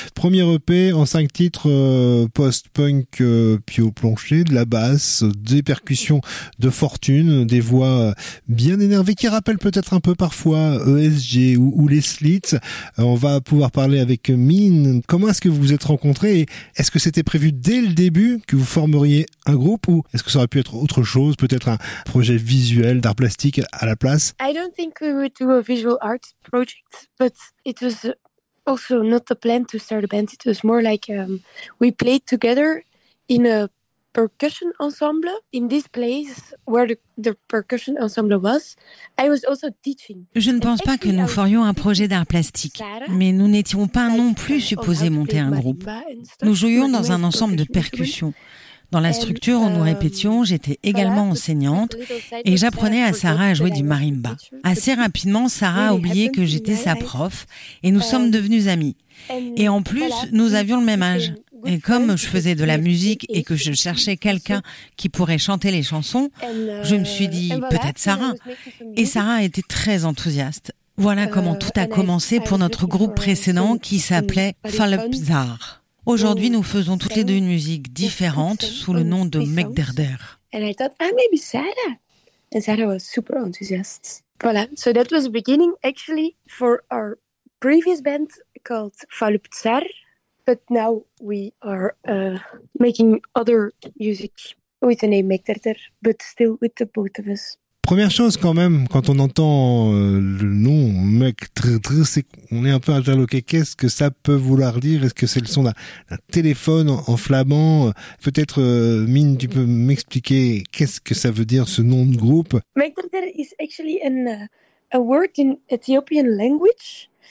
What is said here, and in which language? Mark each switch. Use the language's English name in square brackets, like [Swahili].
[French] Premier EP en 5 titres post-punk pied au plancher, de la basse, des percussions de fortune, des voix bien énervées qui rappellent peut-être un peu parfois ESG ou les Slits. On va pouvoir parler avec Min. Comment est-ce que vous vous êtes rencontrés et est-ce que c'était prévu dès le début que vous formeriez auriez un groupe ou est-ce que ça aurait pu être autre chose, peut-être un projet visuel d'art plastique à la place? [English] I don't think we would do a visual art project, but it was also not the plan to start a band. It was more like we played together in a percussion ensemble in this place where the percussion ensemble was. I was also teaching. [French] Je ne pense pas que nous ferions un projet d'art plastique, mais nous n'étions pas non plus supposés monter un groupe. Nous jouions dans un ensemble de percussions. Dans la structure où nous répétions, j'étais également enseignante et j'apprenais à Sarah à jouer du marimba. Assez rapidement, Sarah a oublié que j'étais sa prof et nous sommes devenus amies. Et en plus, nous avions le même âge. Et comme je faisais de la musique et que je cherchais quelqu'un qui pourrait chanter les chansons, je me suis dit « peut-être Sarah ». Et Sarah était très enthousiaste. Voilà comment tout a commencé pour notre groupe précédent qui s'appelait Falupzar. Aujourd'hui, nous faisons toutes les deux une musique différente sous le nom de Mekderder. [English] And I thought, ah, maybe Sarah. And Sarah was super enthusiast. [French] Voilà, [English] so that was the beginning actually for our previous band called Falupzar. But now we are making other music with the name Mekderder, but still with the both of us. [French] Première chose quand même, quand on entend le nom Mekderder, c'est qu'on est un peu interloqué. Qu'est-ce que ça peut vouloir dire? Est-ce que c'est le son d'un téléphone en flamand? Peut-être, Mine, tu peux m'expliquer qu'est-ce que ça veut dire ce nom de groupe? [English] Mekderder is actually a word in Ethiopian language.